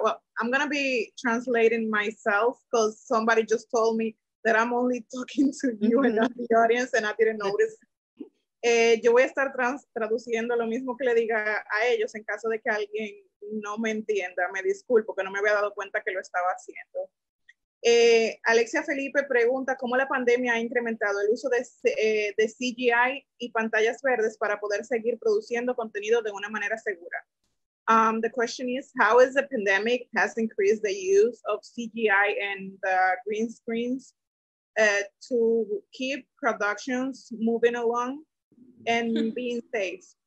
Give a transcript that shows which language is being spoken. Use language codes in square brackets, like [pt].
[en] Well, I'm gonna be translating myself because somebody just told me that I'm only talking to you and not the audience, and I didn't notice. [es] Yo voy a estar traduciendo lo mismo que le diga a ellos en caso de que alguien no me entienda. Me disculpo que no me había dado cuenta que lo estaba haciendo. Alexia Felipe pregunta cómo la pandemia ha incrementado el uso de CGI y pantallas verdes para poder seguir produciendo contenido de una manera segura. [en] The question is, how is the pandemic has increased the use of CGI and the green screens to keep productions moving along and being safe?